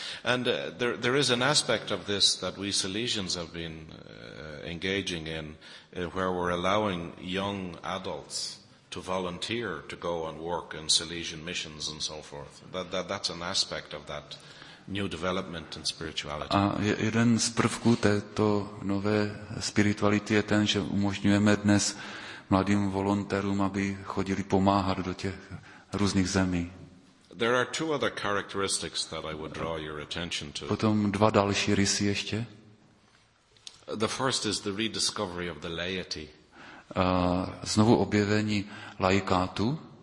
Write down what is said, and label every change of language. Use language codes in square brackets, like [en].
[en] And there is an aspect of this that we Salesians have been engaging in, where we're allowing young adults to volunteer to go and work in Salesian missions and so forth. That's an aspect of that new development in spirituality. [cs] A jeden z prvků této nové spirituality je ten, že umožňujeme dnes mladým volontérům, aby chodili pomáhat do těch různých zemí. [en] There are two other characteristics that I would draw your attention to. [cs] Potom dva další rysy ještě. [en] The first is the rediscovery of the laity. [cs] Znovu objevení laikátu.